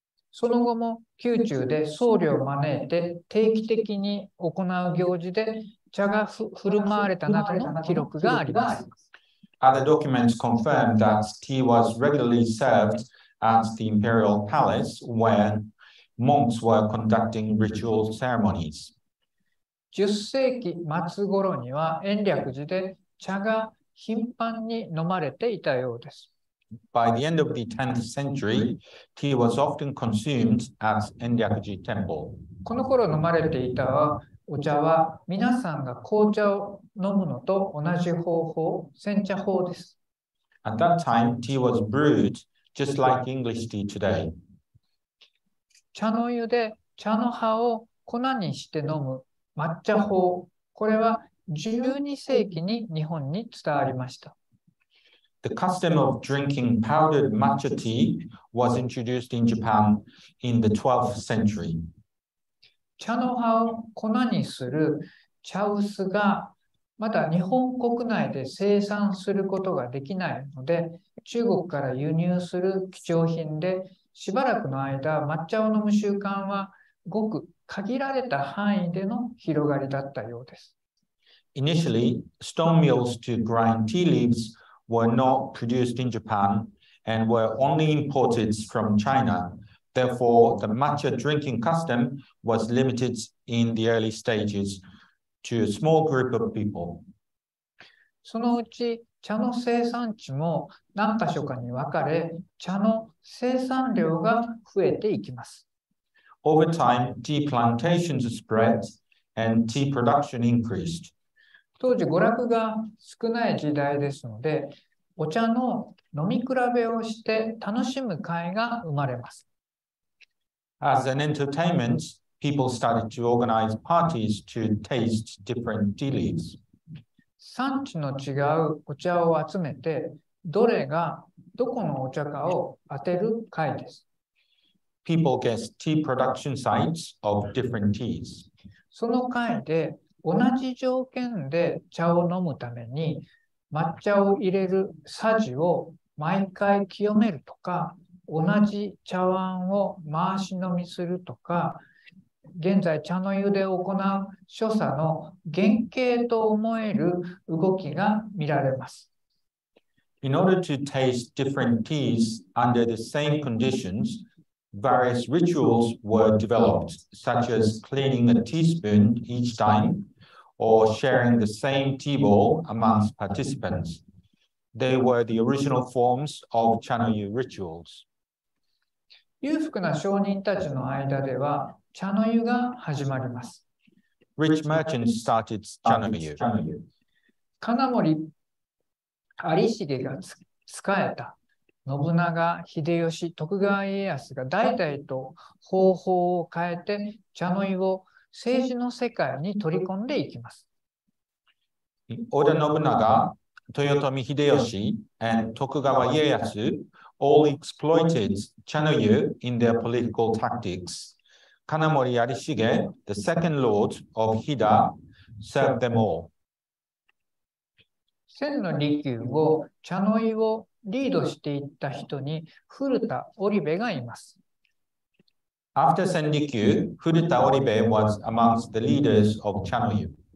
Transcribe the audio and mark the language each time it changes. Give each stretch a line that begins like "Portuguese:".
Japanese: その後も宮中で僧侶を招いて定期的に行う行事で茶が振る舞われたなどの記録があります。
English: Other documents confirm that tea was regularly served at the imperial palace when monks were conducting ritual ceremonies.
Japanese: 10世紀末頃には延暦寺で茶が頻繁に飲まれていたようです。
English: By the end of the 10th century, tea was often consumed at 延暦寺 temple.
Japanese: この頃飲まれていたお茶は皆さんが紅茶を飲むのと同じ方法、煎茶法です。
English: At that time, tea was brewed just like English tea today.
Japanese: 茶の湯で茶の葉を粉にして飲む抹茶法、これは12世紀に日本に伝わりました。
English: The custom of drinking powdered matcha tea was introduced in Japan in the 12th century.
Japanese: 茶の葉を粉にする茶臼がまだ日本国内で生産することができないので、中国から輸入する貴重品で、しばらくの間抹茶を飲む習慣はごく限られた範囲での広がりだったようです。
English: Initially, stone mills to grind tea leaves were not produced in Japan and were only imported from China. Therefore, the matcha drinking custom was limited in the early stages to a small group of people.
Japanese: そのうち茶の生産地も何か所かに分かれ、茶の生産量が増えていきます。
English: Over time, tea plantations spread and tea production increased.
Japanese: 当時娯楽が少ない時代ですので、お茶の飲み比べをして楽しむ会が生まれます。
English: As an entertainment, people started to organize parties to taste different tea leaves.
Japanese: 産地の違うお茶を集めて、どれがどこのお茶かを当てる会です。
English: People guessed tea production sites of different teas.
Japanese: その会で同じ条件で茶を飲むために、抹茶を入れるさじを毎回清めるとか、同じ茶碗を回し飲みするとか、現在茶の湯で行う所作の原型と思える動きが見られます。
English: In order to taste different teas under the same conditions, various rituals were developed, such as cleaning a teaspoon each time. Or sharing the same tea bowl amongst participants. They were the original forms of chanoyu rituals.
Japanese: 裕福な商人たちの間では茶の湯が始まります。
English: Rich merchants started chanoyu.
Japanese: 金森有重が仕えた信長、秀吉、徳川家康が代々と方法を変えて茶の湯を政治の世界に取り込んでいきます。
English: 織田信長、豊臣秀吉、and 徳川家康 all exploited 茶の湯 in their political tactics. 金森有重、the second lord of Hida, served them all.
Japanese: 千の利休を茶の湯をリードしていった人に古田織部がいます。
English: After Senrikyu, Furuta Oribe was amongst the leaders of Chanoyu.